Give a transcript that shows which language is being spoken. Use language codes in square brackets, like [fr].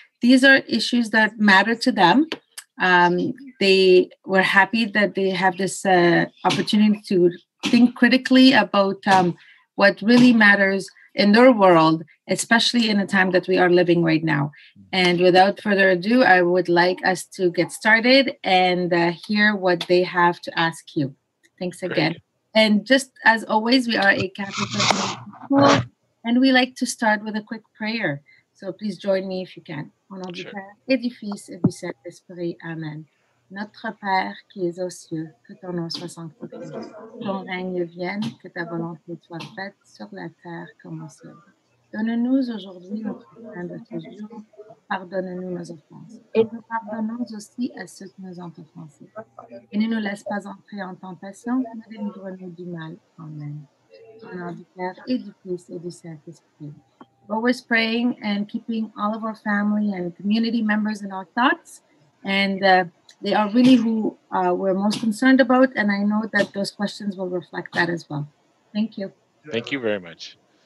[en] These are issues that matter to them. They were happy that they have this opportunity to think critically about what really matters in their world, especially in the time that we are living right now. And without further ado, I would like us to get started and hear what they have to ask you. Thanks again. Great. And just as always, we are a Catholic school, and we like to start with a quick prayer. So please join me if you can. [fr] Au nom du Père et du Fils et du Saint-Esprit, Amen. Notre Père qui es aux cieux, que ton nom soit sanctifié. Que ton règne vienne, que ta volonté soit faite sur la terre comme au ciel. Donne-nous aujourd'hui notre pain de ce jour. Pardonne-nous nos offenses. Et nous pardonnons aussi à ceux qui nous ont offensés. Et ne nous laisse pas entrer en tentation, mais délivre-nous du mal. Amen. Au nom du Père et du Fils et du Saint-Esprit. [en] Always praying and keeping all of our family and community members in our thoughts. And they are really who we're most concerned about. And I know that those questions will reflect that as well. Thank you. Thank you very much.